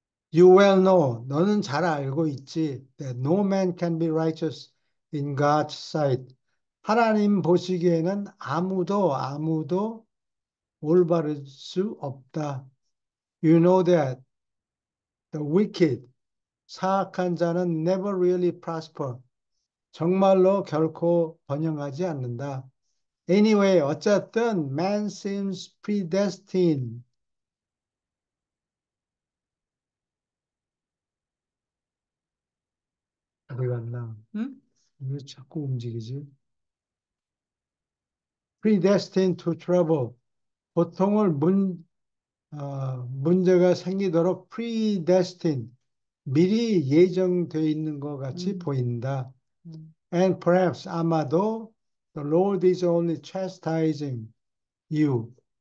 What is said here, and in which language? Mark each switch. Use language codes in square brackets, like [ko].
[en] You well know, [ko] 너는 잘 알고 있지, [en] that no man can be righteous in God's sight. [ko] 하나님 보시기에는 아무도 올바를 수 없다. [en] You know that the wicked, [ko] 사악한 자는 [en] never really prosper. [ko] 정말로 결코 번영하지 않는다. [en] Anyway, [ko] 어쨌든 [en] man seems predestined. [ko] 어디 갔나? 응? 왜 자꾸 움직이지? [en] Predestined to trouble. [ko] 고통을 문제가 생기도록 [en] predestined. [ko] 미리 예정되어 있는 것 같이 보인다. [en] And perhaps, [ko] 아마도, [en] the Lord is only chastising you.